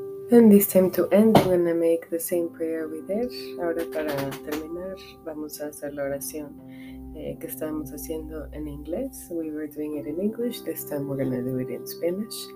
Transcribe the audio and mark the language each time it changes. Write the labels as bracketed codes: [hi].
[en] And this time to end, I'm going to make the same prayer we did. [es] Ahora para terminar, vamos a hacer la oración que estamos haciendo en inglés. [en] We were doing it in English. This time we're going to do it in Spanish.